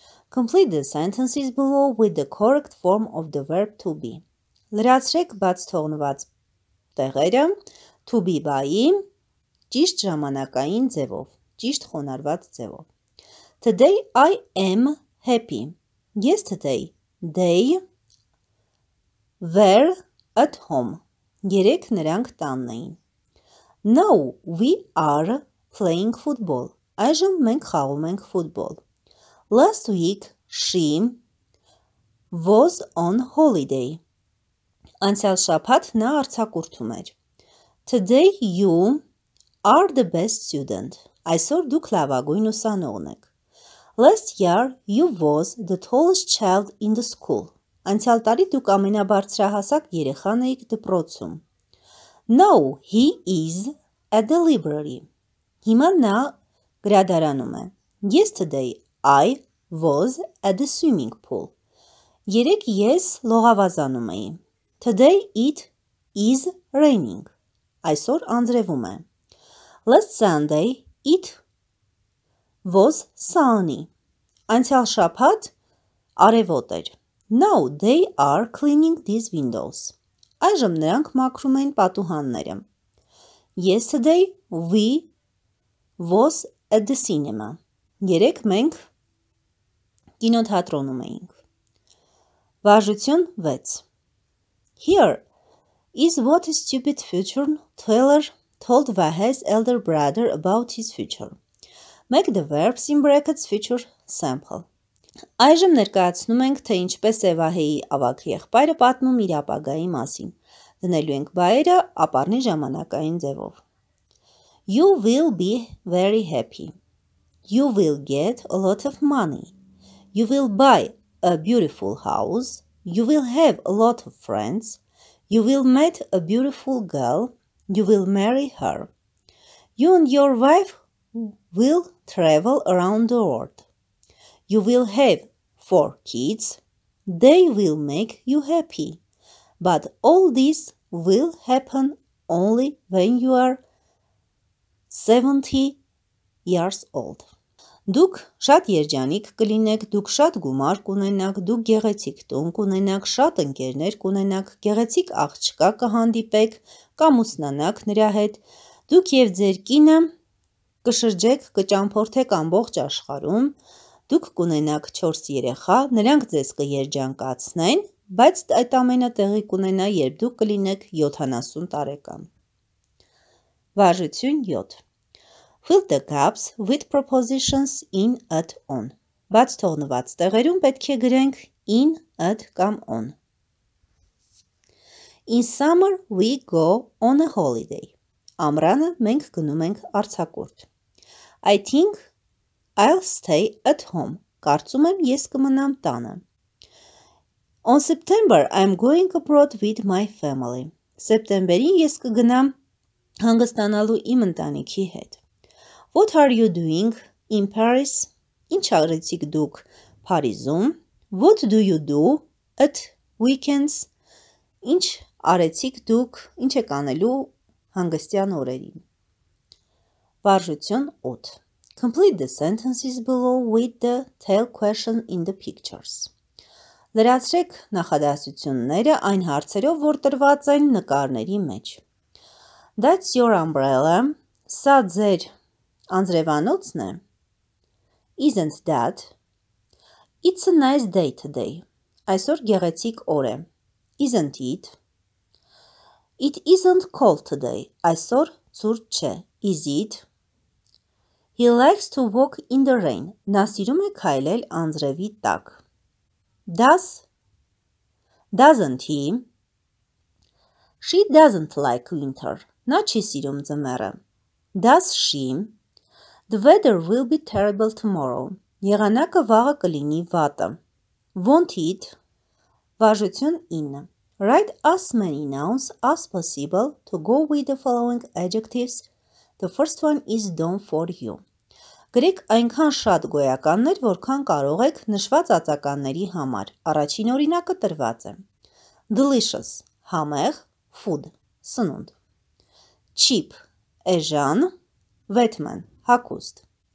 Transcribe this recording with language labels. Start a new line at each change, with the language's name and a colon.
English: Complete the sentences below with the correct form of the verb to be.
Armenian: Լրացրեք բաց թողնված տեղերը, to be by-ի, ճիշտ ժամանակային ձևով, ճիշտ խոնարհված ձևով.
English: Today I am happy. Yesterday, they were at home.
Armenian: Երեք նրանք տանն էին.
English: Now we are playing football.
Armenian: Այժմ մենք խաղում ենք ֆուտբոլ.
English: Last week she was on holiday.
Armenian: Անցյալ շաբաթ նա արձակուրդում էր.
English: Today you are the best student.
Armenian: Այսօր դուք լավագույն ուսանողն եք.
English: Last year, you was the tallest child in the school.
Armenian: Անցյալ տարի դուք ամենաբարձրահասակ երեխան էիք դպրոցում.
English: Now, he is at the library.
Armenian: Հիմա նա Գրադարանում է.
English: Ես today I was at the swimming pool.
Armenian: Երեկ ես լողավազանում էի.
English: Today it is raining.
Armenian: Այսօր անձրևում է.
English: Last Sunday it was sunny.
Armenian: Անցյալ շաբաթ արևոտ էր.
English: Now they are cleaning these windows.
Armenian: Այժմ նրանք մաքրում են պատուհանները.
English: Yesterday we was at the cinema.
Armenian: Երեկ մենք կինոթատրոնում էինք. Վարժություն 6.
English: Here is what a stupid future teller told Vahe's elder brother about his future. Make the verbs in brackets future simple.
Armenian: Այժմ ներկայացնում ենք, թե ինչպես է Վահեի ավագ եղբայրը պատմում իր ապագայի մասին։ Դնելու ենք բայերը ապառնի ժամանակային ձևով։
English: You will be very happy. You will get a lot of money. You will buy a beautiful house. You will have a lot of friends. You will meet a beautiful girl. You will marry her. You and your wife will travel around the world. You will have 4 kids. They will make you happy. But all this will happen only when you are 70 years old.
Armenian: Դուք շատ երջանիկ կլինեք, դուք շատ գումար կունենաք, դուք գեղեցիկ տուն կունենաք, շատ ընկերներ կունենաք, գեղեցիկ աղջկա կհանդիպեք կամ ուսնանաք նրա հետ, դուք եւ ձեր կինը կշրջեք, կճամփորդեք ամբողջ աշխարհում, դուք կունենաք 4 երեխա, նրանք ձեզ կերջանկացնեն, բայց այդ ամենը տեղի կունենա, երբ դուք կլինեք 70 տարեկան։ Վարժություն 7.
English: Fill the gaps with propositions in, at, on.
Armenian: Բաց թողնված տեղերում պետք է գրենք in, at կամ on.
English: In summer we go on a holiday.
Armenian: Ամռանը մենք գնում ենք արձակուրդ.
English: I think I'll stay at home.
Armenian: Կարծում եմ ես կմնամ տանը.
English: On September I'm going abroad with my family.
Armenian: Սեպտեմբերին ես կգնամ հանգստանալու իմ ընտանիքի հետ.
English: What are you doing in Paris?
Armenian: Ինչ արեցիք դուք Փարիզում?
English: What do you do at weekends?
Armenian: Ինչ արեցիք դուք, ինչ եք անելու հանգստյան օրերին? Վարժություն 8.
English: Complete the sentences below with the tell question in the pictures.
Armenian: Լրացրեք նախադասությունները այն հարցերով, որ տրված են նկարների մեջ.
English: That's your umbrella.
Armenian: Սա ձեր անձրևանոցն է.
English: Isn't that? It's a nice day today.
Armenian: Այսօր գեղեցիկ օր է.
English: Isn't it? It isn't cold today.
Armenian: Այսօր ցուրտ չէ.
English: Is it? He likes to walk in the rain.
Armenian: Նա սիրում է քայլել անձրևի տակ.
English: Does? Doesn't he? She doesn't like winter.
Armenian: Նա չի սիրում ձմեռը.
English: Does she? The weather will be terrible tomorrow.
Armenian: Եղանակը վաղը կլինի վատը.
English: Won't it?
Armenian: Վարժություն 9.
English: Write as many nouns as possible to go with the following adjectives. The first one is done for you.
Armenian: Գրեք այնքան շատ գոյականներ, որքան կարող եք նշված ածականների համար. Առաջին օրինակը տրված է. Delicious – համեղ, food – սնունդ. Cheap – էժան, vetman – հագուստ.